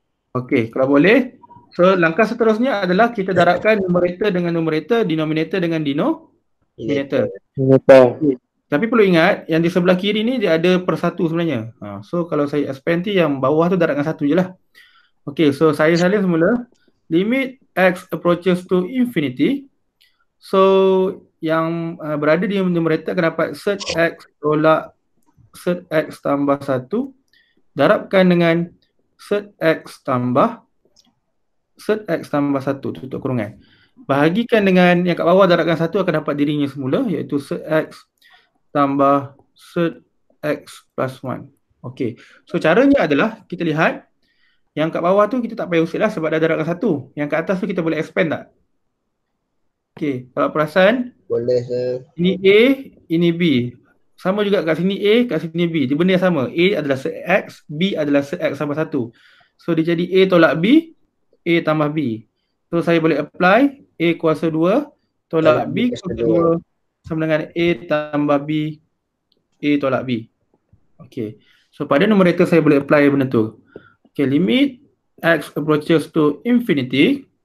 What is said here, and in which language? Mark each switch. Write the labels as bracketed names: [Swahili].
[Malay] Okey, kalau boleh. So langkah seterusnya adalah kita darabkan numerator dengan numerator, denominator dengan denominator. Tapi perlu ingat yang di sebelah kiri ni dia ada per satu sebenarnya. So kalau saya expand ni yang bawah tu darabkan satu je lah. Okay, so saya salin semula. [English] Limit x approaches to infinity. [Malay] So yang berada di numerator akan dapat set x tolak set x tambah satu. Darabkan dengan set x tambah. Set x tambah 1, tutup kurungan. Bahagikan dengan yang kat bawah darabkan 1 akan dapat dirinya semula, iaitu set x tambah set x plus 1. Okay, so caranya adalah kita lihat yang kat bawah tu kita tak payah usik lah sebab dah darabkan 1. Yang kat atas tu kita boleh expand tak? Okay, kalau perasan. Boleh, sir. Ini A, ini B. Sama juga kat sini A, kat sini B. Dia benda yang sama. A adalah set x, B adalah set x tambah 1. So dia jadi A tolak B, A tambah B. So saya boleh apply A kuasa 2 tolak B kuasa 2 sama dengan A tambah B A tolak B. Okay, so pada numerator saya boleh apply benda tu. [English] Okay, limit X approaches to infinity.